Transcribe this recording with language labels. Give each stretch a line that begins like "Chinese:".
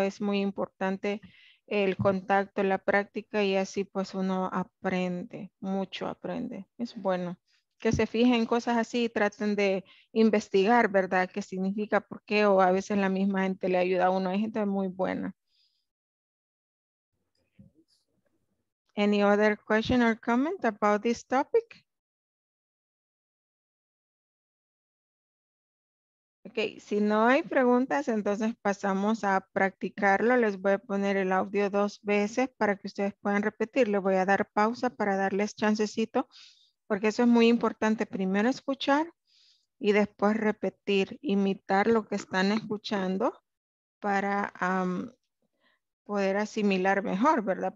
Spanish: Es muy importante el contacto, la práctica y así pues uno aprende, mucho aprende. Es bueno que se fijen cosas así y traten de investigar, ¿verdad? ¿Qué significa? ¿Por qué? O a veces la misma gente le ayuda a uno. Hay gente muy buena.
English: Any other question or comment about this topic?
Spanish: Okay, si no hay preguntas, entonces pasamos a practicarlo. Les voy a poner el audio dos veces para que ustedes puedan repetir. Le voy a dar pausa para darles chancecito. Porque eso es muy importante, primero escuchar y después repetir, imitar lo que están escuchando para poder asimilar mejor, ¿verdad?